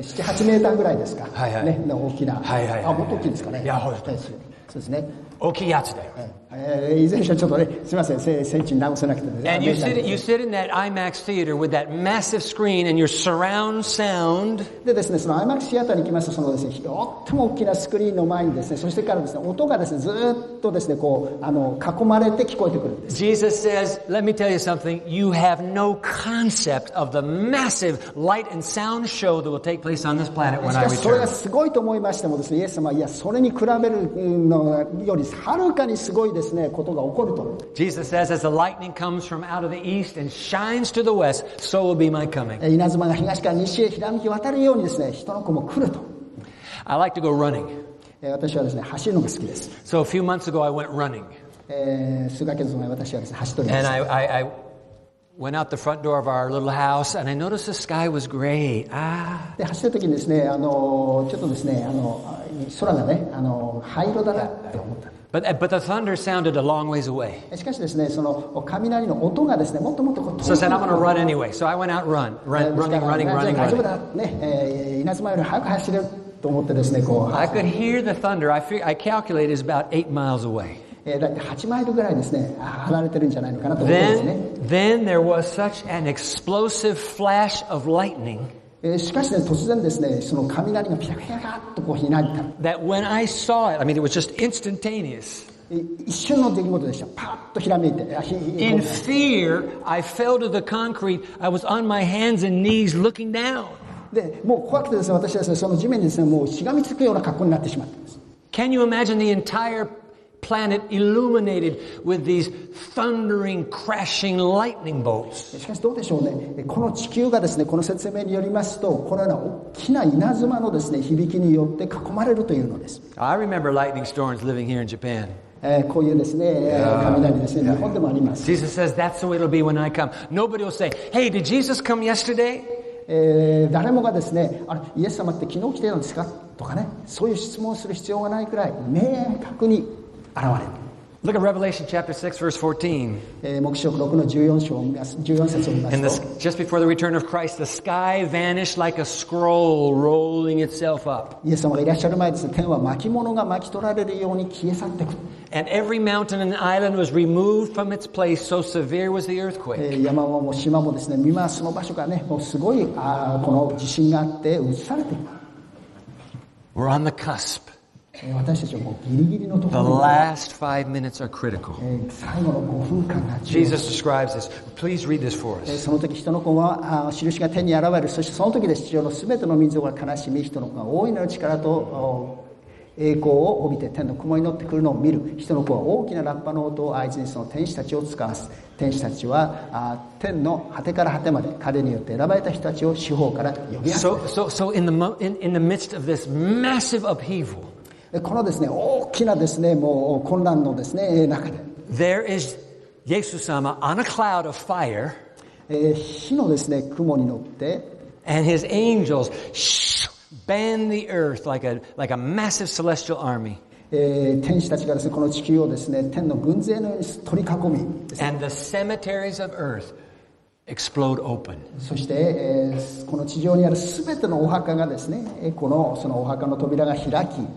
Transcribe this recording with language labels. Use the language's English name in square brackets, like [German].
[Japanese] 7、8メーターぐらいですか。はいはい。ね、大きな。はいはい。あ、もっと大きいですかね。いや、ほら。そうですね。大きいやつだよ。以前はちょっとね、すみません、聖地に直せなくて。 [English] And you sit in that IMAX theater with that massive screen and your surround sound. [Japanese] でですね、その IMAX シアターに行きますと、そのですね、とっても大きなスクリーンの前にですね、そしてからですね、音がですね、ずっとですね、こう、あの、囲まれて聞こえてくるんです。 [English] Jesus says, let me tell you something, you have no concept of the massive light and sound show that will take place on this planet when I return. [Japanese] しかし、それがすごいと思いましてもですね、イエス様、いや、それに比べるのが、はるかにすごいですね、ことが起こると。 [English] Jesus says, as the lightning comes from out of the east and shines to the west, so will be my coming. [Japanese] 稲妻が東から西へひらめき渡るようにですね、人の子も来ると。 [English] I like to go running. [Japanese] 私はですね、走るのが好きです。 [English] So a few months ago, I went running. [Japanese] 数ヶ月前、私はですね、走っております。 [English] And I went out the front door of our little house, and I noticed the sky was gray. [Japanese] で、走るときにですね、ちょっとですね、空がね、灰色だなって思った。 [English] But the thunder sounded a long ways away. [Japanese] しかしですね、その雷の音がですね、もっともっと遠 [English] い。So I said, I'm gonna run anyway. So I went out running. [Japanese] 大丈夫だ。ね、稲妻より早く走れると思ってですね、こう。 [English] I could hear the thunder. I calculated it's about 8 miles away. [Japanese] だって8マイルぐらいですね、離れてるんじゃないのかなと思ってですね。 [English] Then there was such an explosive flash of lightning. [Japanese] しかしね、突然ですね、その雷がピラピラッとこう開いた。 [English] That when I saw it, I mean, it was just instantaneous. [Japanese] 一瞬の出来事でした。パッと閃いて。 [English] In fear, I fell to the concrete. I was on my hands and knees looking down. [Japanese] で、もう怖くてですね、私はですね、その地面にですね、もうしがみつくような格好になってしまったんです。 [English] Can you imagine the entire planet illuminated with these thundering, crashing lightning bolts? [Japanese] しかしどうでしょうね。この地球がですね、この説明によりますと、このような大きな稲妻のですね、響きによって囲まれるというのです。 [English] I remember lightning storms living here in Japan. [Japanese] こういうですね、雷ですね、日本でもあります。 [English] Jesus says, that's the way it'll be when I come. Nobody will say, hey, did Jesus come yesterday? [Japanese] 誰もがですね、あれ、イエス様って昨日来てたんですかとかね、そういう質問する必要がないくらい、明確に現れる。 [English] Look at Revelation chapter 6, verse 14. [Japanese] 黙示録6の14章を見ます。14節を見ますと。 [English] And just before the return of Christ, the sky vanished like a scroll rolling itself up. [Japanese] イエス様がいらっしゃる前です。天は巻物が巻き取られるように消え去っていく。 [English] And every mountain and island was removed from its place, so severe was the earthquake. [Japanese] 山も島もですね、今その場所からね、もうすごい、この地震があって移されていく。 [English] We're on the cusp. [Japanese] 私たちはもうギリギリのところ [English] The last five minutes are critical. [Japanese] 最後の5分間が重要。 [English] Jesus describes this. Please read this for us. [Japanese] その時人の子は印が天に現れる。そしてその時で地上のすべての民族が悲しみ、人の子が大いなる力と栄光を帯びて天の雲に乗ってくるのを見る。人の子は大きなラッパの音を合図にその天使たちを遣わす。天使たちは天の果てから果てまで彼によって選ばれた人たちを四方から呼び集める。 [English] So in the midst of this massive upheaval. [Japanese] このですね、大きなですね、もう混乱のですね、中で。 [English] There is Jesus 様 on a cloud of fire. [Japanese] 火のですね、雲に乗って。 [English] And his angels band the earth like a massive celestial army. [Japanese] 天使たちがですね、この地球をですね、天の軍勢のように取り囲み。 [English] And the cemeteries of earth explode open. [Japanese] そして、この地上にあるすべてのお墓がですね、このそのお墓の扉が開き、